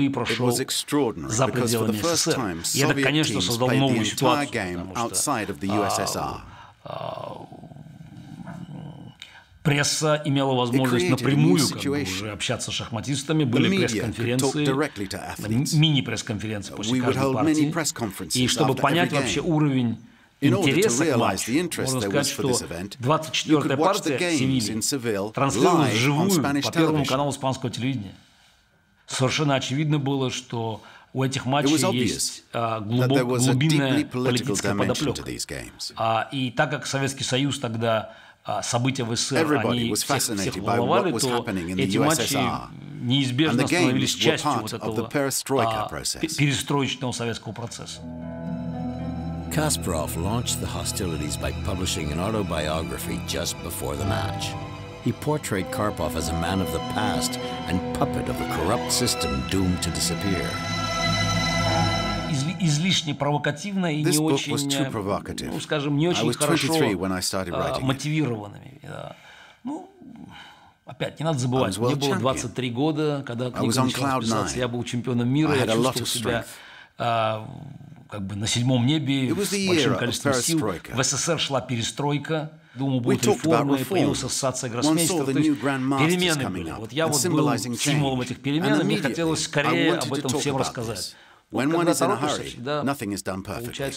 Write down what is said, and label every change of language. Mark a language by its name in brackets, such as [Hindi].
[English] it was extraordinary because for the first time Soviet teams played the entire game outside of the USSR. [Russian] Пресса имела возможность напрямую общаться с шахматистами, были пресс-конференции, мини-пресс-конференции после каждой партии. И чтобы понять вообще уровень интереса к матчу, можно сказать, что 24-я партия в транслировалась вживую по первому каналу испанского телевидения. Совершенно очевидно было, что у этих матчей есть глубинная политическая подоплека. И так как Советский Союз тогда события в СССР, они всех волновали, то эти матчи неизбежно становились частью вот этого перестроечного советского процесса. [English] Kasparov launched the hostilities by publishing an autobiography just before the match. He portrayed Karpov as a man of the past and puppet of a corrupt system doomed to disappear. [Russian] Излишне провокативно и не очень, ну, скажем, не очень хорошо мотивированными. Ну, Опять, не надо забывать, мне было 23 года, когда книга начала писаться. Я был чемпионом мира, я чувствовал себя как бы на седьмом небе, с большим количеством сил. В СССР шла перестройка. Думаю, будут реформы, появилась ассоциация гроссмейстеров. Перемены были. Вот я вот был символом этих перемен, и мне хотелось скорее об этом всем рассказать. [English] When one is in a hurry, nothing is done perfectly.